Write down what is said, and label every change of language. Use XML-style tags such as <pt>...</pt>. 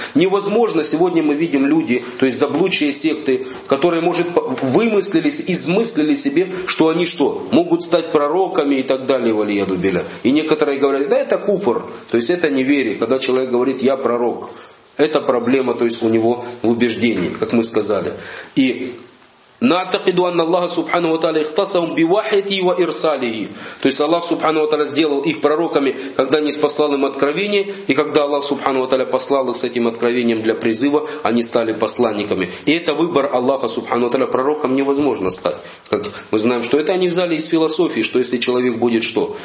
<ru>Невозможно, сегодня мы видим люди, то есть заблудшие секты, которые, может, вымыслились, измыслили себе, что они что? Могут стать пророками и так далее, валияду биля. И некоторые говорят, да это куфр. То есть это неверие, когда человек говорит, я пророк. Это проблема, то есть у него в убеждении, как мы сказали.</ru> <ar>И نعتقد أن الله سبحانه وتعالى اختصهم بوحيه وإرساله.</ar> <ru>То есть Аллах Субхану ва Тааля сделал их пророками, когда они послал им откровение, и когда Аллах Субхану ва Тааля послал их с этим откровением для призыва, они стали посланниками. И это выбор Аллаха Субхану ва Тааля, пророком невозможно стать. Как мы знаем, что это они взяли из философии, что если человек будет что?</ru>